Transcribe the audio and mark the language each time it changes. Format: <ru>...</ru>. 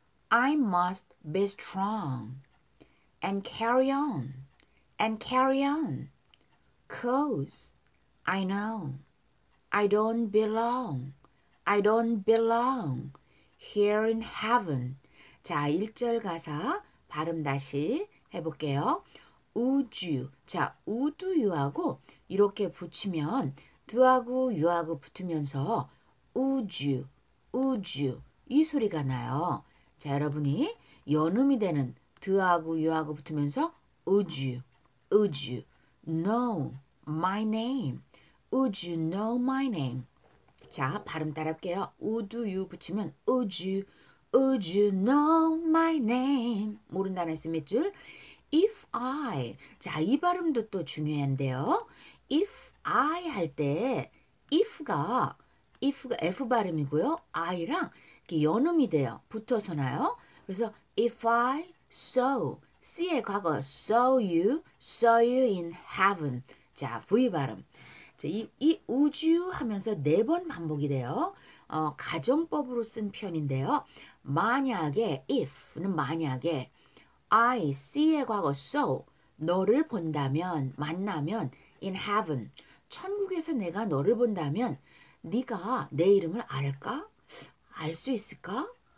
<en>I must be strong and carry on and carry on 'cause I know I don't belong. I don't belong here in heaven.</en> <ko>자, 1절 가사 발음 다시 해 볼게요.</ko> <en>Would you.</en> <ko>자, would you하고 이렇게 붙이면 do하고 you하고 붙으면서 would you 이 소리가 나요. 자, 여러분이 연음이 되는 드하고 유하고 붙으면서</ko> <en>Would you know my name? Would you know my name?</en> <ko>자, 발음 따라 할게요.</ko> <en>Would you 붙이면 Would you know my name?</en> <ko>모른다는 했으면 몇 줄?</ko> <en>If I.</en> <ko>자, 이 발음도 또 중요한데요. If I 할 때 if가 F 발음이고요. I랑 이렇게 연음이 돼요. 붙어서 나요. 그래서</ko> <en>If I saw.</en> <ko>C의 과거</ko> <en>saw you in heaven.</en> <ko>자, V 발음. 자, 이 우주 하면서 네 번 반복이 돼요. 가정법으로 쓴 편인데요. 만약에 if는 만약에 I see의 과거 saw 너를 본다면 만나면 in heaven 천국에서 내가 너를 본다면 네가 내 이름을 알까? 알 수 있을까?</ko>